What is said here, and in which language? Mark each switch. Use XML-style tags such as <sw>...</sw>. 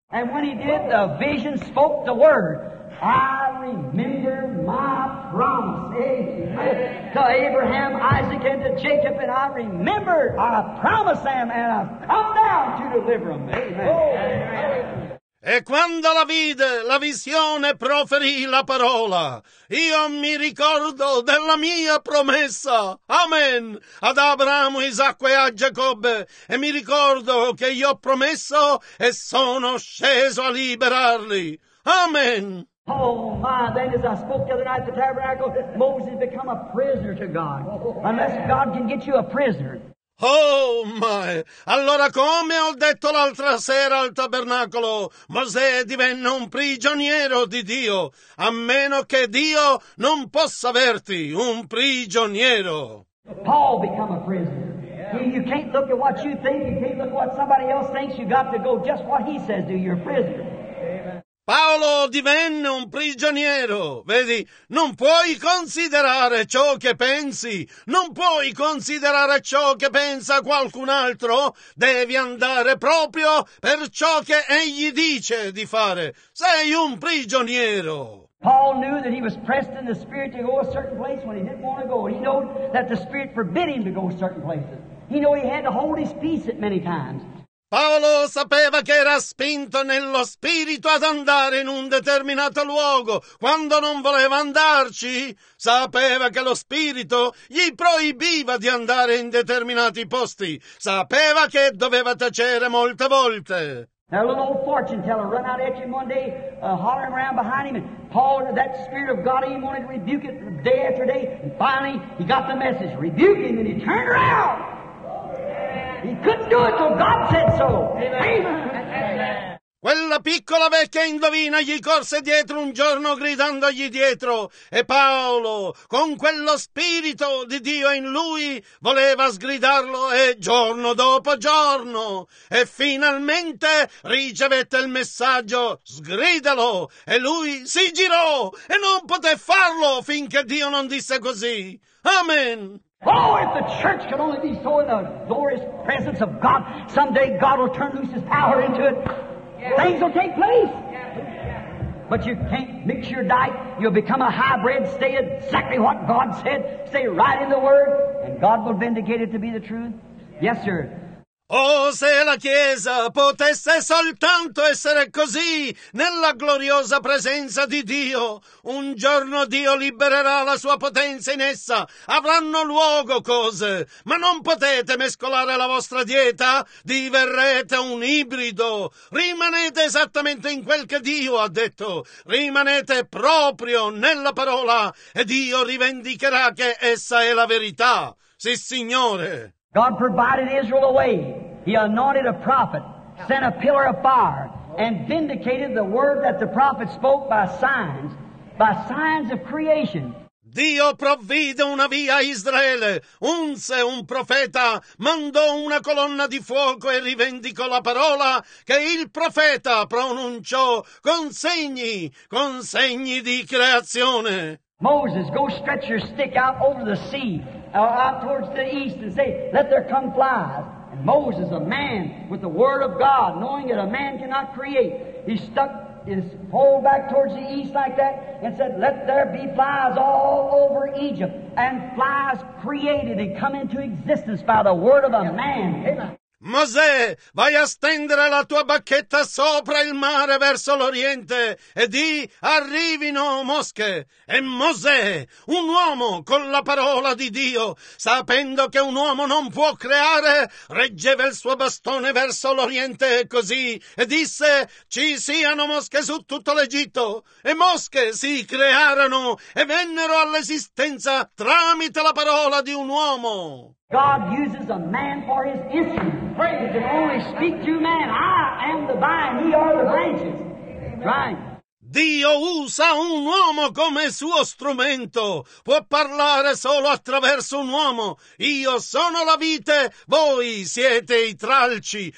<en>And when he did, the vision spoke the word. I remember my promise. To Abraham, Isaac, and to Jacob, and I remember, I promised them, and I've come down to deliver them. Amen. Oh, amen.</en> <it>E quando la vide, la visione proferì la parola. Io mi ricordo della mia promessa. Amen. Ad Abramo, Isacco e a Giacobbe. E mi ricordo che io ho promesso e sono sceso a liberarli. Amen.</it> <en>Oh my, then as I spoke the other night at the tabernacle, Moses become a prisoner to God. Unless God can get you a prisoner. Oh my!</en> <it>Allora come ho detto l'altra sera al tabernacolo, Mosè divenne un prigioniero di Dio, a meno che Dio non possa averti un prigioniero.</it> <en>Paul become a prisoner. You can't look at what you think. You can't look at what somebody else thinks. You got to go just what he says to your prisoner.</en> <it>Paolo divenne un prigioniero, vedi, non puoi considerare ciò che pensi, non puoi considerare ciò che pensa qualcun altro, devi andare proprio per ciò che egli dice di fare, sei un prigioniero.</it> <en>Paul knew that he was pressed in the spirit to go a certain place when he didn't want to go, and he knew that the spirit forbid him to go a certain places. He knew he had to hold his peace at many times.</en> <it>Paolo sapeva che era spinto nello spirito ad andare in un determinato luogo quando non voleva andarci. Sapeva che lo spirito gli proibiva di andare in determinati posti. Sapeva che doveva tacere molte volte.</it> <en>Now a little old fortune teller run out at him one day, hollering around behind him, and Paul, that spirit of God, he wanted to rebuke it day after day, and finally he got the message, rebuke him, and he turned around. He couldn't do it till God said so. Amen.</en> <it>Quella piccola vecchia indovina gli corse dietro un giorno gridandogli dietro. E Paolo, con quello spirito di Dio in lui, voleva sgridarlo e giorno dopo giorno. E finalmente ricevette il messaggio, sgridalo. E lui si girò e non poté farlo finché Dio non disse così. Amen.</it> <en>Oh, if the church could only be so in the glorious presence of God, someday God will turn loose his power into it. Yeah. Things will take place. Yeah. Yeah. But you can't mix your diet. You'll become a hybrid. Stay exactly what God said. Stay right in the Word. And God will vindicate it to be the truth. Yeah. Yes, sir.</en> <it>Oh, se la Chiesa potesse soltanto essere così nella gloriosa presenza di Dio, un giorno Dio libererà la sua potenza in essa, avranno luogo cose, ma non potete mescolare la vostra dieta, diverrete un ibrido, rimanete esattamente in quel che Dio ha detto, rimanete proprio nella parola e Dio rivendicherà che essa è la verità, sì Signore.</it> <en>God provided Israel a way. He anointed a prophet, sent a pillar of fire, and vindicated the word that the prophet spoke by signs of creation.</en> <it>Dio provvide una via a Israele, unse un profeta, mandò una colonna di fuoco e rivendicò la parola che il profeta pronunciò con segni di creazione.</it> <en>Moses, go stretch your stick out over the sea, out towards the east, and say, let there come flies. And Moses, a man with the word of God, knowing that a man cannot create, he stuck his pole back towards the east like that and said, let there be flies all over Egypt. And flies created and come into existence by the word of a man. Amen.</en> <it>Mosè, vai a stendere la tua bacchetta sopra il mare verso l'oriente e di arrivino mosche. E Mosè, un uomo con la parola di Dio, sapendo che un uomo non può creare, reggeva il suo bastone verso l'oriente così e disse, ci siano mosche su tutto l'Egitto. E mosche si crearono e vennero all'esistenza tramite la parola di un uomo.</it> <en>God uses a man for his instrument. Pray that can only speak to man. I am the vine, ye are the branches. Right.</en> <it>Dio usa un uomo come suo strumento. Può parlare solo attraverso un uomo. Io sono la vite, voi siete i tralci.</it>